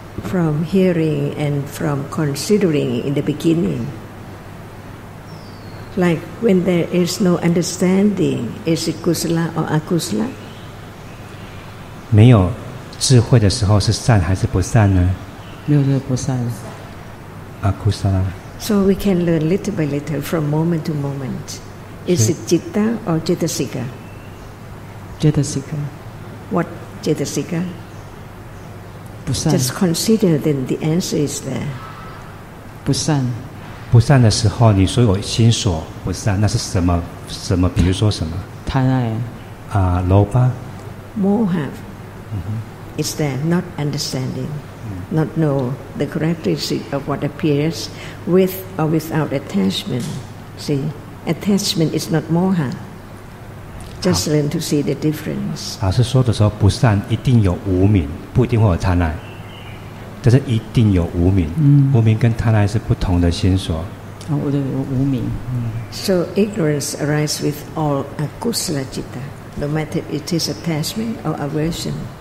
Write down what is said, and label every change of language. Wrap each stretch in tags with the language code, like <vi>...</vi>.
<en>From hearing and from considering in the beginning, like when there is no understanding, is it kusala or akusala?</en> <zh>没有智慧的时候是善还是不善呢？没有这个不善。</zh> <en>Akusala. So we can learn little by little from moment to moment. Is it citta or cittasika? Cittasika. What cittasika?</en> <zh>不善</zh> <en>Just consider, then the answer is there.</en> <zh>不善不善的时候，你说有心所不善，那是什么？什么？比如说什么？贪爱啊，罗巴。</zh> <en>Moha is there, not understanding, not know the characteristic of what appears, with or without attachment. See, attachment is not moha. Just learn to see the difference.</en> <zh>老师说的时候，不善一定有无明，不一定会有贪爱，但是一定有无明。无明跟贪爱是不同的心所。啊，我的无明。</zh> <en>So ignorance arises with all akusala citta, no matter it is attachment or aversion.</en>